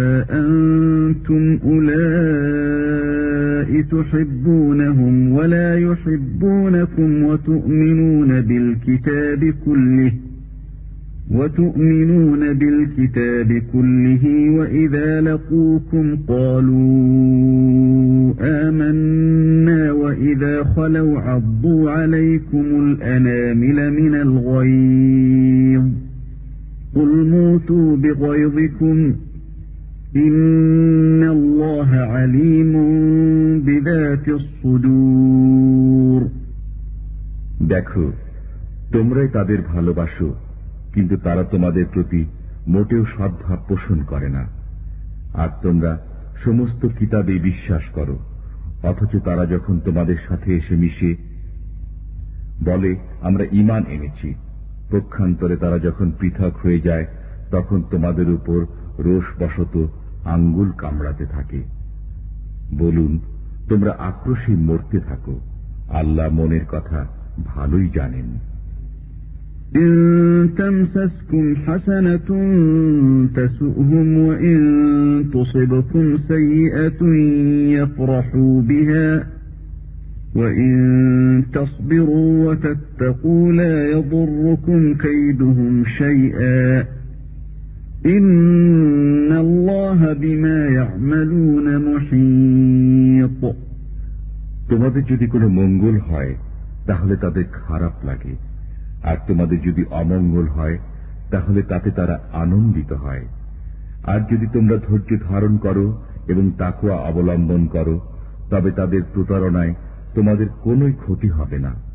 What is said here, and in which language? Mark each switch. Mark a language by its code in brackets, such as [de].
[ar] أنتم أولئك تحبونهم ولا يحبونكم وتؤمنون بالكتاب كله وإذا لقوكم قالوا آمنا وإذا خلوا عضوا عليكم الأنامل من الغيظ قل موتوا بغيظكم إن الله عليم بذات الصدور [bn] দেখো, তোমরাই তাদের ভালোবাসো, কিন্তু তারা তোমাদের প্রতি মোটেও সদ্ভাব পোষণ করে না। আর তোমরা সমস্ত কিতাবে বিশ্বাস করো, অথচ তারা যখন তোমাদের সাথে এসে মিশে বলে আমরা ইমান এনেছি, পক্ষান্তরে তারা যখন পৃথক হয়ে যায় তখন তোমাদের উপর রোষবশত আঙ্গুল কামড়াতে থাকে। বলুন, তোমরা আক্রোশে মরতে থাকো, আল্লাহ মনের কথা ভালোই জানেন। [ar] إن تمسسكم حسنة تسؤهم وإن تصبكم سيئة يفرحوا بها وإن تصبروا وتتقوا لا يضركم كيدهم شيئا إن الله بما يعملون محيط [bn] তোমাদের যদি কোনো মঙ্গল হয় তাহলে তাদের খারাপ লাগে, আর তোমাদের যদি অমঙ্গল হয় তাহলে তাতে তারা আনন্দিত হয়। আর যদি তোমরা ধৈর্য ধারণ করো এবং তাকওয়া অবলম্বন করো, তবে তাদের প্রতারণায় তোমাদের কোন ক্ষতি হবে না।